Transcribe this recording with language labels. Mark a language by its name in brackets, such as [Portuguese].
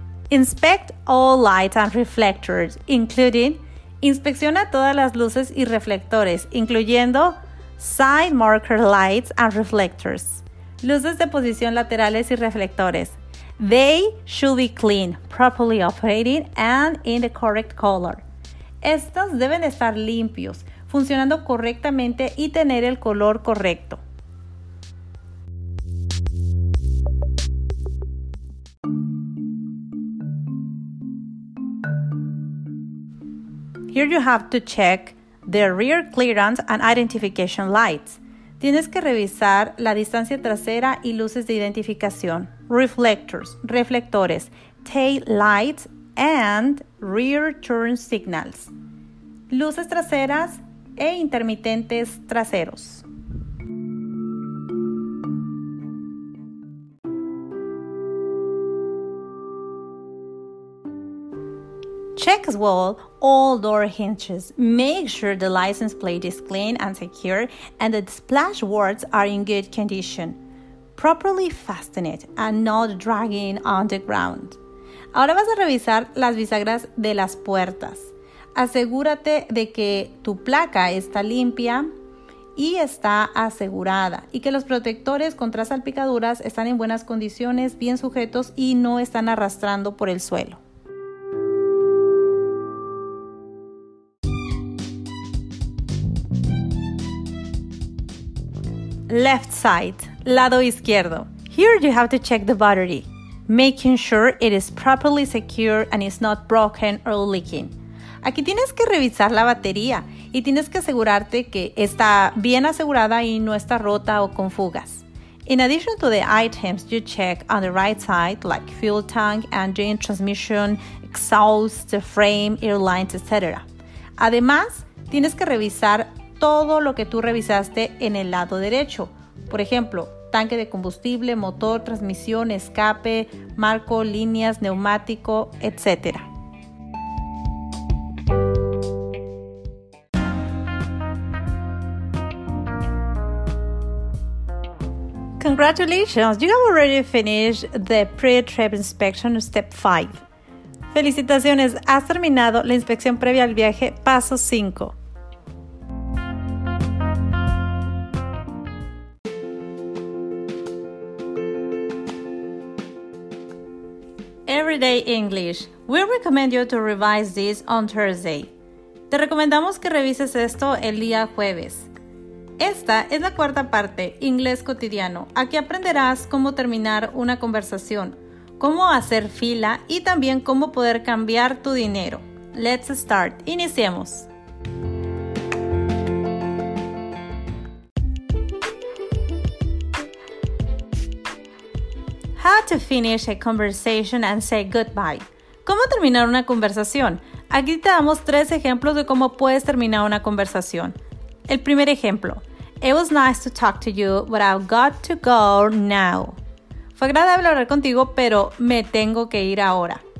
[English] Inspect all lights and reflectors, including [Spanish] inspecciona todas las luces y reflectores, incluyendo [English] side marker lights and reflectors, [Spanish] luces de posición laterales y reflectores. [English] They should be clean, properly operating, and in the correct color. [Spanish] Estos deben estar limpios, funcionando correctamente y tener el color correcto. [English] Here you have to check the rear clearance and identification lights. [Spanish] Tienes que revisar la distancia trasera y luces de identificación. [English] Reflectors, reflectores, tail lights and rear turn signals. [Spanish] Luces traseras e intermitentes traseros. [English] Check as well all door hinges. Make sure the license plate is clean and secure and the splash boards are in good condition. Properly fasten it and not dragging on the ground. [Spanish] Ahora vas a revisar las bisagras de las puertas. Asegúrate de que tu placa está limpia y está asegurada y que los protectores contra salpicaduras están en buenas condiciones, bien sujetos y no están arrastrando por el suelo. [English] Left side, [Spanish] lado izquierdo. [English] Here you have to check the battery, making sure it is properly secure and is not broken or leaking. [Spanish] Aquí tienes que revisar la batería y tienes que asegurarte que está bien asegurada y no está rota o con fugas. [English] In addition to the items you check on the right side, like fuel tank, engine, transmission, exhaust, frame, airlines, etc. [Spanish] Además, tienes que revisar todo lo que tú revisaste en el lado derecho. Por ejemplo, tanque de combustible, motor, transmisión, escape, marco, líneas, neumático, etc. [English] Congratulations! You have already finished the pre-trip inspection step 5. [Spanish] Felicitaciones, has terminado la inspección previa al viaje, paso 5. [English] Everyday English. We recommend you to revise this on Thursday. [Spanish] Te recomendamos que revises esto el día jueves. Esta es la cuarta parte, inglés cotidiano. Aquí aprenderás cómo terminar una conversación, cómo hacer fila y también cómo poder cambiar tu dinero. [English] Let's start. [Spanish] Iniciemos. [English] How to finish a conversation and say goodbye. [Spanish] ¿Cómo terminar una conversación? Aquí te damos tres ejemplos de cómo puedes terminar una conversación. El primer ejemplo. [English] It was nice to talk to you, but I've got to go now. [Spanish] Fue agradable hablar contigo, pero me tengo que ir ahora.